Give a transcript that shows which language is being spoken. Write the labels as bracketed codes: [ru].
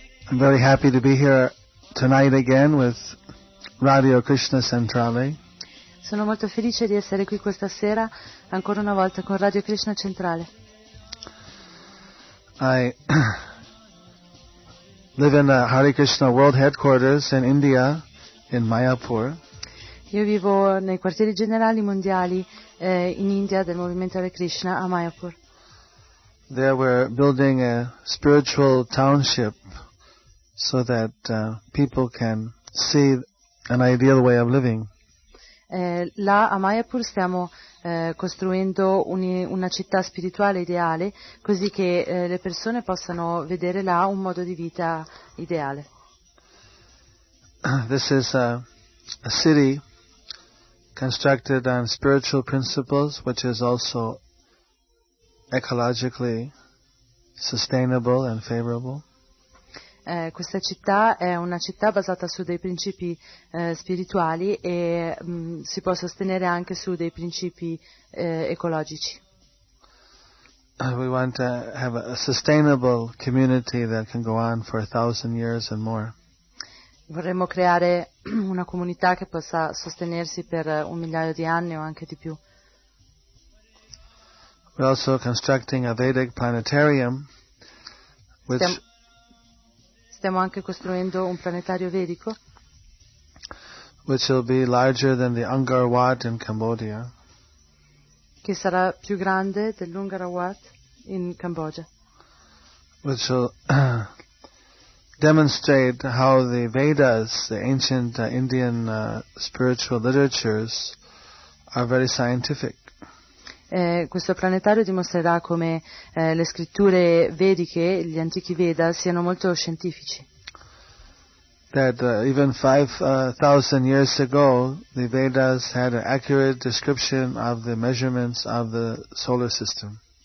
[en] I'm very happy to be here tonight again with Radio Krishna Centrale. [it] Sono molto felice di essere qui questa sera, ancora una volta, con Radio Krishna Centrale. [en] I live in the Hare Krishna World Headquarters in India, in Mayapur. [it] Io vivo nei quartieri generali mondiali in India del movimento Hare Krishna a Mayapur. [en] There we're building a spiritual township so that people can see an ideal way of living. [it] Là a Mayapur stiamo costruendo una città spirituale ideale, così che le persone possano vedere là un modo di vita ideale. [en] This is a city constructed on spiritual principles, which is also ecologically sustainable and favorable. [it] Questa città è una città basata su dei principi spirituali e si può sostenere anche su dei principi ecologici. [en] We want to have a sustainable community that can go on for 1,000 years and more. [it] Vorremmo creare una comunità che possa sostenersi per un migliaio di anni o anche di più. [en] We're also constructing a Vedic planetarium which [it] stiamo anche costruendo un planetario vedico, [en] which will be larger than the Angkor Wat in Cambodia, [it] che sarà più grande dell'Angkor Wat in Cambogia, [en] which will demonstrate how the Vedas, the ancient Indian spiritual literatures, are very scientific. [it] Questo planetario dimostrerà come le scritture vediche, gli antichi Veda, siano molto scientifici. [en] That even 5,000 years ago, the Vedas had an accurate description of the measurements of the solar system.